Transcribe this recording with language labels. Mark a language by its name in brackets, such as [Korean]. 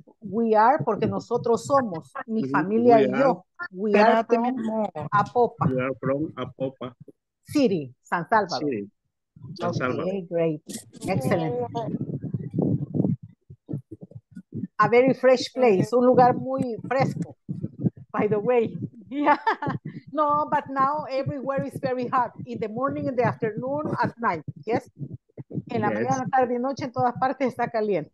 [English] We are, [Spanish] porque nosotros somos, mi familia y yo. [English] We are from Apopa. We are from Apopa City, San Salvador. City. San Salvador. Okay, great. Excellent. A very fresh place, [Spanish] un lugar muy fresco. [English] By the way, yeah, no, but now everywhere is very hot in the morning, in the afternoon, at night. [Spanish] Yes, en la mañana, tarde y noche, en todas partes está caliente.